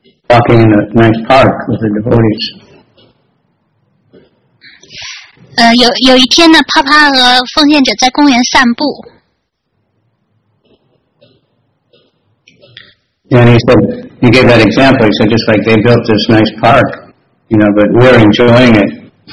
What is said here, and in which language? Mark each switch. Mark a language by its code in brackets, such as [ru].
[en] Walking in a nice park with the devotees. [zh] 有一天呢，帕帕和奉献者在公园散步。 [en] And he said, he gave that example, he said, just like they built this nice park, you know, but we're enjoying it.